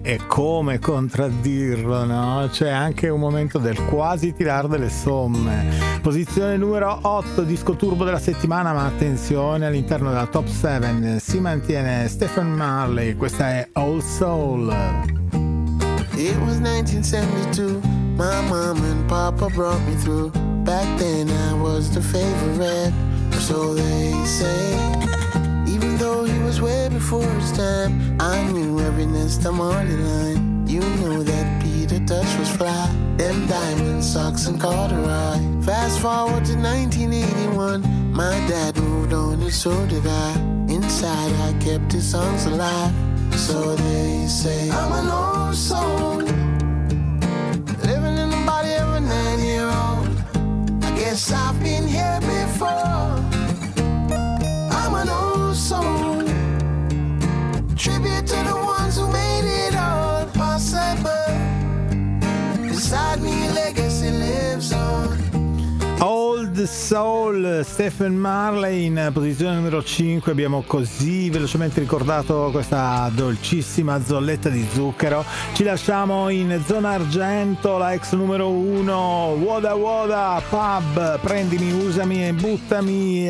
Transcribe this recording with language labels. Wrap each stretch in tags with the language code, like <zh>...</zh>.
<it>E come contraddirlo, no? C'è anche un momento del quasi tirar delle somme. Posizione numero 8, disco turbo della settimana, ma attenzione, all'interno della top 7 si mantiene Stephen Marley, questa è All Soul.</it> <en>It was 1972, my mom and papa brought me through. Back then I was the favorite, or so they say. Even though he was way before his time, I knew every Nest of Marley line. You know that Peter Dutch was fly, them diamond socks and corduroy. Fast forward to 1981, my dad moved on and so did I. Inside I kept his songs alive. So they say I'm an old soul, living in the body of a 9-year-old. I guess I've been here before. I'm an old soul, tribute to the ones who made it all possible. Beside me a legacy lives on.</en> <it>Soul, Stephen Marley in posizione numero 5. Abbiamo così velocemente ricordato questa dolcissima zolletta di zucchero. Ci lasciamo in zona argento, la ex numero 1, Woda Woda, Pub, prendimi, usami e buttami.</it>